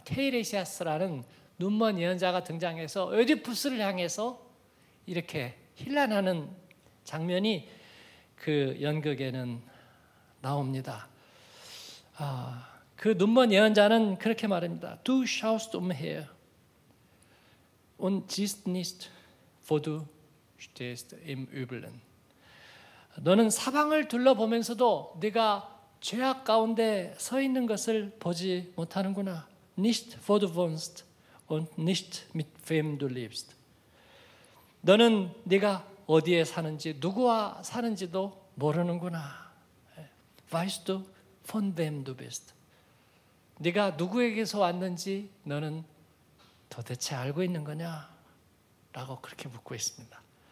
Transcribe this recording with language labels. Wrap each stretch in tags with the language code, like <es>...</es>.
<ko>테이레시아스라는 눈먼 예언자가 등장해서 오디푸스를 향해서 이렇게 힐난하는 장면이 그 연극에는 나옵니다. 그 눈먼 예언자는 그렇게 말합니다.</ko> <de>Du schaust umher und siehst nicht, wo du stehst im Übeln.</de> <ko>너는 사방을 둘러보면서도 네가 죄악 가운데 서 있는 것을 보지 못하는구나.</ko> <de>Nicht, wo du wohnst und nicht mit wem du lebst.</de> <ko>너는 네가 어디에 사는지 누구와 사는지도 모르는구나.</ko> <de>Weißt du, von wem du bist?</de> <ko>네가 누구에게서 왔는지 너는 도대체 알고 있는 거냐? 라고 그렇게 묻고 있습니다.</ko>